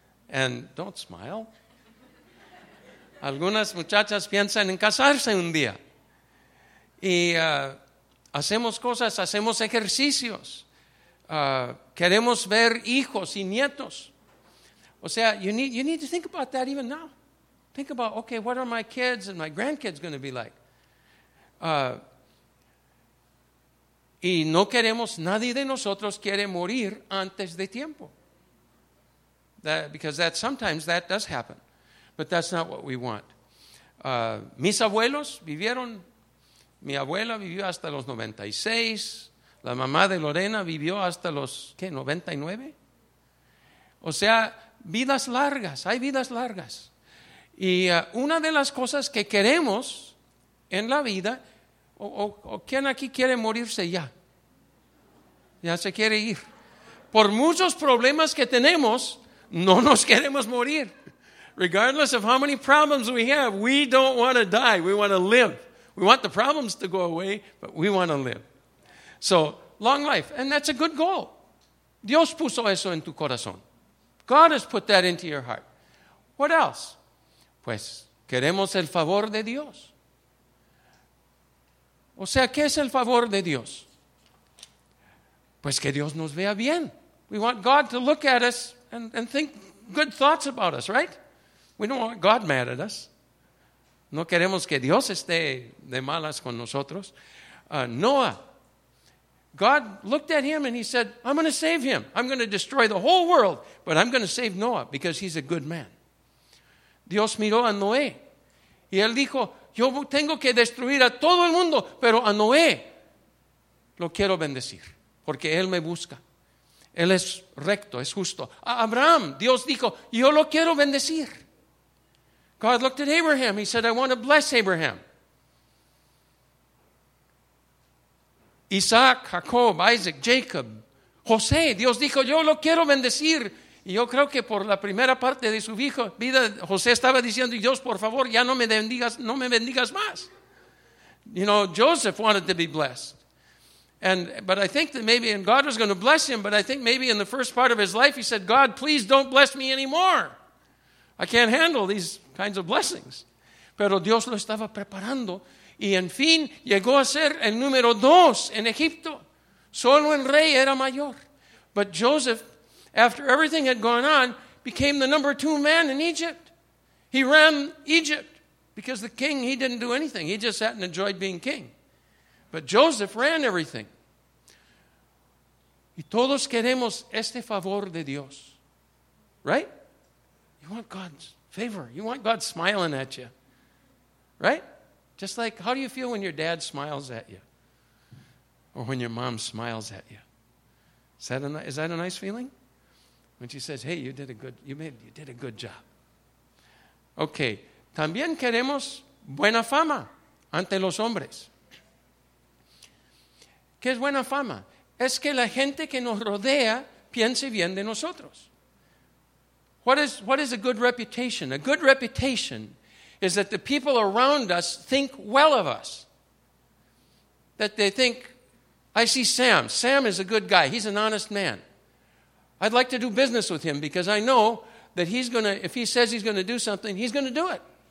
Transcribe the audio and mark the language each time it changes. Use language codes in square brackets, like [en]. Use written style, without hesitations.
[en] And don't smile. [es] Algunas muchachas piensan en casarse un día. Y hacemos cosas, hacemos ejercicios. Queremos ver hijos y nietos. O sea, [en] you need to think about that even now. Think about, okay, what are my kids and my grandkids going to be like? [es] Y no queremos, nadie de nosotros quiere morir antes de tiempo. [en] Because sometimes that does happen. But that's not what we want. [es] Mis abuelos vivieron, mi abuela vivió hasta los 96. La mamá de Lorena vivió hasta los, ¿qué? 99. O sea, vidas largas, hay vidas largas. Y una de las cosas que queremos en la vida, o ¿quién aquí quiere morirse ya? Ya se quiere ir. Por muchos problemas que tenemos, no nos queremos morir. [en] Regardless of how many problems we have, we don't want to die. We want to live. We want the problems to go away, but we want to live. So, long life. And that's a good goal. [es] Dios puso eso en tu corazón. [en] God has put that into your heart. What else? [es] Pues, queremos el favor de Dios. O sea, ¿qué es el favor de Dios? Pues que Dios nos vea bien. [en] We want God to look at us and think good thoughts about us, right? We don't want God mad at us. [es] No queremos que Dios esté de malas con nosotros. [en] Noah, God looked at him and he said, I'm going to save him. I'm going to destroy the whole world, but I'm going to save Noah because he's a good man. [es] Dios miró a Noé y él dijo, yo tengo que destruir a todo el mundo, pero a Noé lo quiero bendecir porque él me busca. Él es recto, es justo. A Abraham, Dios dijo, yo lo quiero bendecir. [en] God looked at Abraham. He said, I want to bless Abraham. [es] Isaac, Jacob, Isaac, Jacob, José, Dios dijo, yo lo quiero bendecir. Y yo creo que por la primera parte de su vida, José estaba diciendo, Dios, por favor, ya no me bendigas, no me bendigas más. [en] You know, Joseph wanted to be blessed. But I think that maybe, and God was going to bless him, but I think maybe in the first part of his life, he said, God, please don't bless me anymore. I can't handle these kinds of blessings. [es] Pero Dios lo estaba preparando. Y en fin, llegó a ser el número dos en Egipto. Solo el rey era mayor. [en] But Joseph, after everything had gone on, became the number two man in Egypt. He ran Egypt because the king, he didn't do anything. He just sat and enjoyed being king. But Joseph ran everything. [es] Y todos queremos este favor de Dios. [en] Right? You want God's favor. You want God smiling at you. Right? Just like, how do you feel when your dad smiles at you? Or when your mom smiles at you? Is that a nice feeling? When she says, hey, you did a good job. [es] Okay. También queremos buena fama ante los hombres. ¿Qué es buena fama? Es que la gente que nos rodea piense bien de nosotros. [en] What is a good reputation? A good reputation is that the people around us think well of us. That they think, I see Sam. Sam is a good guy. He's an honest man. I'd like to do business with him because I know that if he says he's going to do something, he's going to do it.